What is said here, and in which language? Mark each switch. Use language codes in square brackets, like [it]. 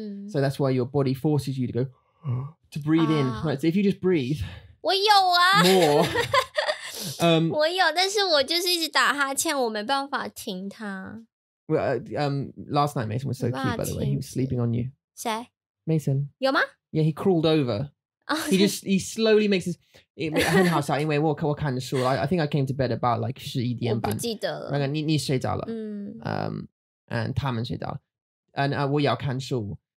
[en] So that's why your body forces you to go to breathe in. Right, so if you just breathe, [zh] 我有啊, [en] more. [zh] 我有，但是我就是一直打哈欠，我没办法停它。 [en] Last night Mason was so cute, by the way. He was sleeping on you. [zh] 谁？ [en] Mason. [zh] 有吗？ [en] Yeah, he crawled over. He just, he slowly makes his... [zh] 很好笑,因为我看的书, [en] I think I came to bed about like [zh] 11点半. 我不记得了。你睡着了?And 他们睡着了。And 我要看书。